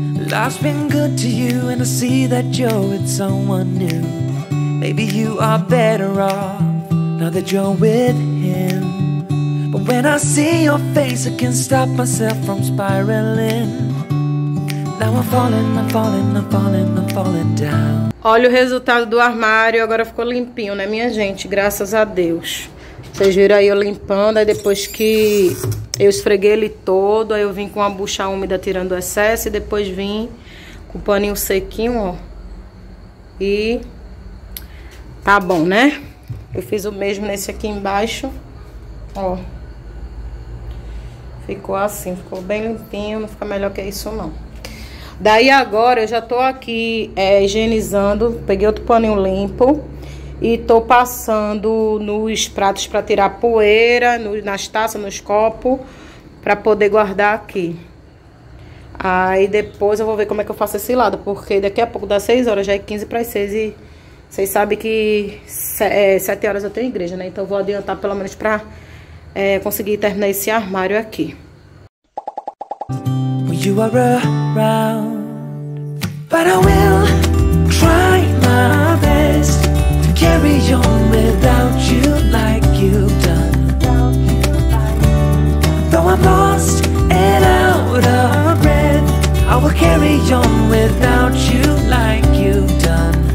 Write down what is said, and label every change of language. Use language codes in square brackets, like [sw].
[en] Life's been good to you, and I see that you're with someone new. Maybe you are better off now that you're with him. But when I see your face, I can't stop myself from spiraling. Now I'm falling down. [pt] Olha o resultado do armário, agora ficou limpinho, né, minha gente? Graças a Deus. Vocês viram aí eu limpando, aí depois que eu esfreguei ele todo, aí eu vim com a bucha úmida tirando o excesso e depois vim com o paninho sequinho, ó. E tá bom, né? Eu fiz o mesmo nesse aqui embaixo, ó. Ficou assim, ficou bem limpinho, não fica melhor que isso não. Daí agora eu já tô aqui higienizando, peguei outro paninho limpo. E tô passando nos pratos pra tirar poeira, nas taças, nos copos, pra poder guardar aqui. Aí depois eu vou ver como é que eu faço esse lado, porque daqui a pouco dá 6 horas, já é 15 para 6 e vocês sabem que 7 horas eu tenho igreja, né? Então eu vou adiantar pelo menos pra conseguir terminar esse armário aqui. [en] You are around, but I will try my best. Carry on without you like you've done. Though I'm lost and out of breath, I will carry on without you like you've done.